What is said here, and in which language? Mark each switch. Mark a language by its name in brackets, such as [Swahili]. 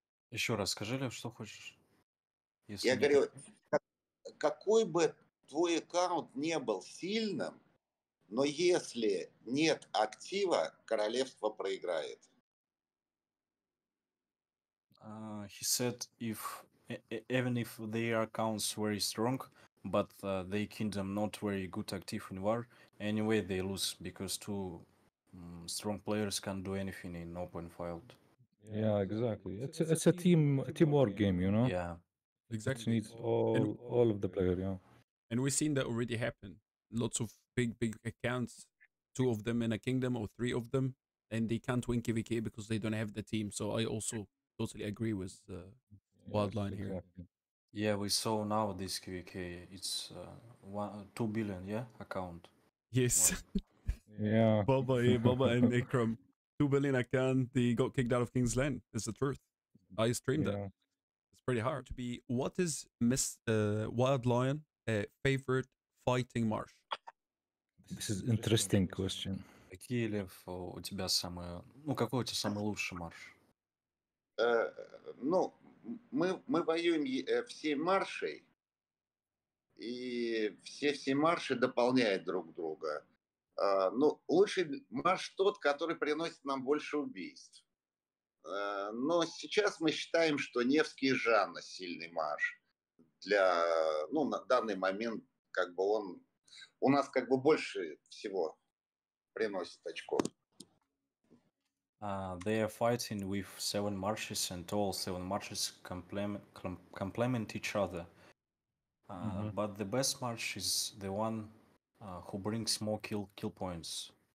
[Russian] Еще раз скажи, Лев, что хочешь? Если я не... говорю, какой бы твой аккаунт не был сильным. Но если нет актива, королевство проиграет. [English] He said, if even if their accounts very strong, but their kingdom not very good active in war, anyway they lose because two strong players can't do anything in open field. Yeah, exactly. It's a teamwork game, you know. Yeah, exactly. It needs all of the players. Yeah, and we've seen that already happen. Lots of big accounts, two of them in a kingdom or three of them, and they can't win KvK because they don't have the team. So I also totally agree with Wildline here. Yeah, we saw now this KvK. It's 2 billion, yeah, account. Yes. Yeah. Baba and Ikram. 2 billion account, they got kicked out of King's Land. It's the truth. I streamed that. It's pretty hard. What is Miss Wild Lion favorite fighting marsh? This is interesting question. [Russian] Какие лев у тебя самые... Ну, какой у тебя самый лучший марш? Ну, мы воюем всей маршей, и все марши дополняют друг друга. Ну, лучший марш тот, который приносит нам больше убийств. Но сейчас мы считаем, что Невский и Жанна сильный марш. Для, ну, на данный момент, как бы он... У нас как бы больше всего приносит очков. [English] They are fighting with seven marshes, and all seven marshes complement each other. Mm-hmm. But the best marsh is the one who brings more kill points.